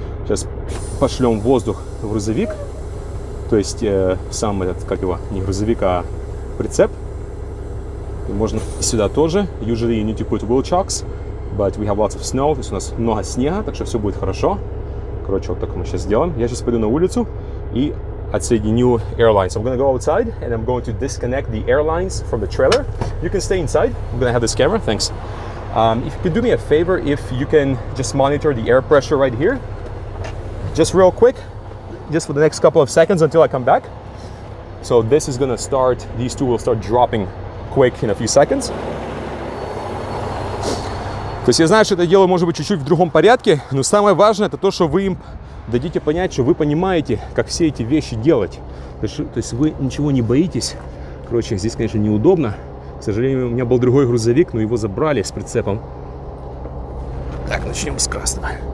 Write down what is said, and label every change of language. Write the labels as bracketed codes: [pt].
[ru] Сейчас пошлем воздух в грузовик. То есть, сам этот, как его, не грузовик, а прицеп. И можно сюда тоже. [en] Usually you need to put wheel chocks, but we have lots of snow. [ru] То есть, у нас много снега, так что все будет хорошо. Короче, вот так мы сейчас сделаем. Я сейчас пойду на улицу и отсоединю airlines. [en] I'm going to go outside and I'm going to disconnect the airlines from the trailer. You can stay inside. I'm going to have this camera. Thanks. If you could do me a favor, if you can just monitor the air pressure right here. Just real quick. Just for the next couple of seconds until I come back. So this is gonna start, these two will start dropping quick in a few seconds. [ru] То есть я знаю, что это дело может быть чуть-чуть в другом порядке, но самое важное это то, что вы им дадите понять, что вы понимаете, как все эти вещи делать. То есть вы ничего не боитесь. Короче, здесь, конечно, неудобно. К сожалению, у меня был другой грузовик, но его забрали с прицепом. Так, начнем с красного.